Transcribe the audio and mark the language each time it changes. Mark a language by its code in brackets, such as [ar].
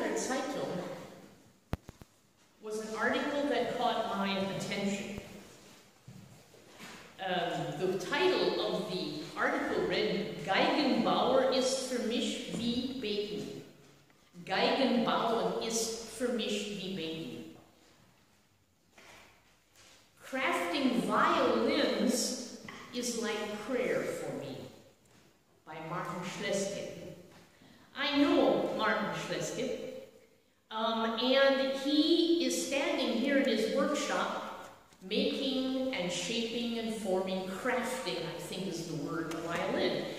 [en] title was an article that caught my attention. The title of the article read, [de] Geigenbauer ist für mich wie Beten. Geigenbauer ist für mich wie Beten. [en] Crafting violins is like prayer for me, by Martin Schleske. I know Martin Schleske, and he is standing here in his workshop making and shaping and forming, crafting, I think is the word, the violin.